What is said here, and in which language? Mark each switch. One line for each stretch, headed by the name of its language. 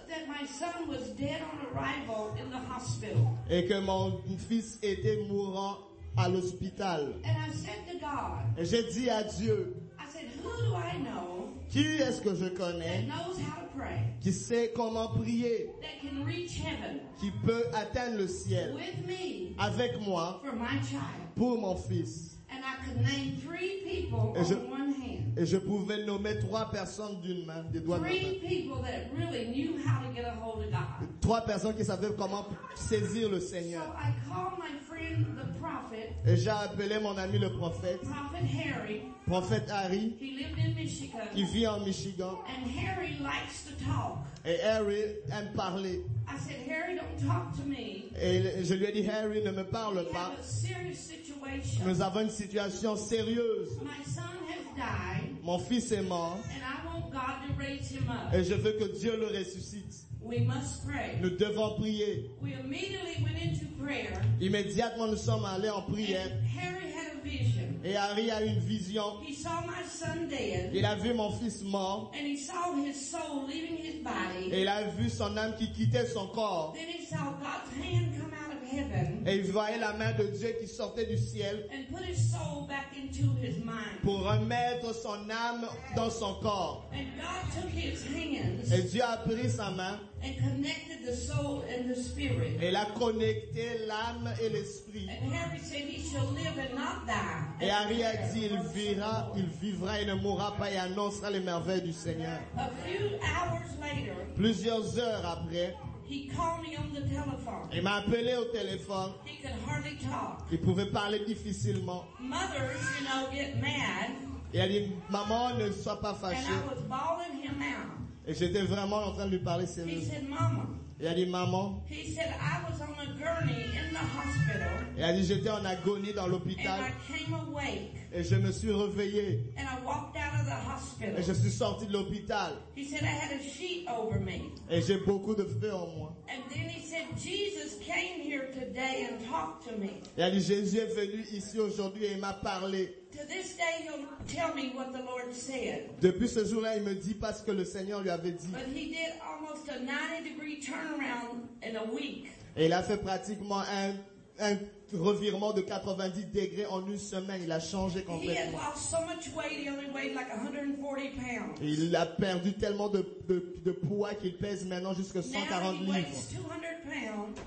English: That my son was dead on arrival in the hospital.
French: Et que mon fils était mourant à l'hôpital.
English: And I said to God.
French: Et j'ai dit à Dieu.
English: I said, who do I know?
French: Qui est-ce que je connais?
English: That knows how to pray.
French: Qui sait comment prier?
English: That can reach heaven.
French: Qui peut atteindre le ciel?
English: With me.
French: Avec moi.
English: For my child.
French: Pour mon fils.
English: And I could name 3 people on one hand.
French: Et je pouvais nommer 3 personnes d'une main, des doigts de main.
English: 3 people that really knew how to get a hold of God.
French: trois personnes qui savaient comment saisir le Seigneur.
English: So I called my friend, the prophet,
French: et j'ai appelé mon ami le prophète,
English: Prophet Harry.
French: Prophet Harry,
English: he lived in Michigan,
French: qui vit en Michigan.
English: And Harry likes to talk.
French: Et Harry aime parler.
English: I said, Harry, don't talk to me.
French: Et je lui ai dit, Harry, ne me parle
English: we
French: pas.
English: Have a serious situation.
French: Nous avons une situation sérieuse.
English: My son has died,
French: mon fils est mort.
English: And I want God to raise him up.
French: Et je veux que Dieu le ressuscite.
English: We must pray.
French: Nous devons prier.
English: We immediately went into prayer.
French: Immédiatement, nous sommes allés en prière.
English: And Harry had a vision.
French: Et Harry a une vision.
English: He saw my son dead.
French: Il a vu mon fils mort.
English: And he saw his soul leaving his body.
French: Et il a vu son âme qui quittait son corps.
English: Then he saw God's hand come out of heaven.
French: Et il voyait la main de Dieu qui sortait du ciel.
English: And put his soul back into his mind.
French: Pour remettre son âme dans son corps.
English: And God took his hands.
French: Et Dieu a pris sa main.
English: And connected the soul and the spirit.
French: Et l'a connecté l'âme et l'esprit.
English: And Harry said he shall live and not die.
French: Et Harry a dit il vivra et ne mourra pas et annoncera les merveilles du Seigneur.
English: A few hours later.
French: Plusieurs heures après.
English: He called me on the telephone.
French: Il m'a appelé au téléphone.
English: He could hardly talk.
French: Il pouvait parler difficilement.
English: Mothers, you know, get mad.
French: Et elle dit maman ne sois pas fâchée.
English: And I was bawling him out.
French: Et j'étais vraiment en train de lui parler sérieusement.
English: He said, Mama.
French: Et il a dit, maman.
English: He said, I was on a gurney in the hospital.
French: Et il a dit, j'étais en agonie dans l'hôpital.
English: And I came awake.
French: Et je me suis réveillé.
English: And I walked out of the hospital.
French: Et je suis sorti de l'hôpital.
English: He said, I had a sheet over me.
French: Et j'ai beaucoup de feu en moi.
English: And then he said, Jesus came here today and talked to me.
French: Et il a dit, Jésus est venu ici aujourd'hui et il m'a parlé.
English: To this day, he'll tell me what the Lord said.
French: Depuis ce jour-là, il me dit pas ce que le Seigneur lui avait dit.
English: But he did almost a 90-degree turnaround in a week.
French: Et il a fait pratiquement un revirement de 90 degrés en une semaine. Il a changé complètement.
English: He had lost so much weight, he only weighed like 140 pounds.
French: Et il a perdu tellement de poids qu'il pèse maintenant jusqu'à 140
English: now he
French: livres.
English: Weighs 200 pounds.